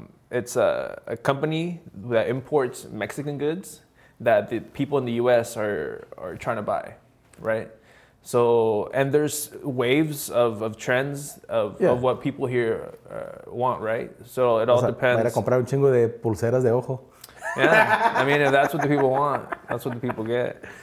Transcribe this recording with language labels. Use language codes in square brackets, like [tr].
[en] It's a company that imports Mexican goods that the people in the U.S. are trying to buy, right? So, and there's waves of trends of what people here want, right? So it all depends. [es] Para comprar un chingo de pulseras de ojo. [en] Yeah, I mean, if that's what the people want, that's what the people get.